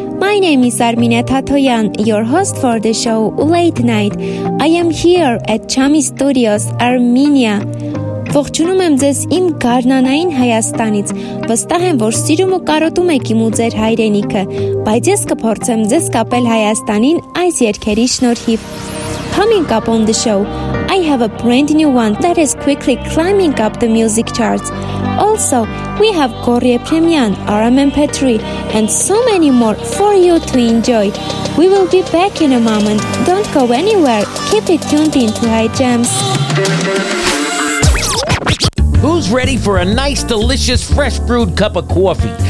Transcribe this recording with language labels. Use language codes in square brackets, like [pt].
[en] My name is Armine Tatoyan, your host for the show Late Night. I am here at Chami Studios, Armenia. [hy] Ողջունում եմ ձեզ իմ գարնանային Հայաստանից։ Վստահ եմ, որ սիրում ու կարոտում եք իմ ու ձեր հայրենիքը, բայց ես կփորձեմ ձեզ կապել Հայաստանին այս երգերի շնորհիվ։ [en] Coming up on the show, I have a brand new one that is quickly climbing up the music charts. Also, we have Gorry Epremian, Armen Petri, and so many more for you to enjoy. We will be back in a moment. Don't go anywhere. Keep it tuned in to High Jams. Who's ready for a nice, delicious, fresh-brewed cup of coffee?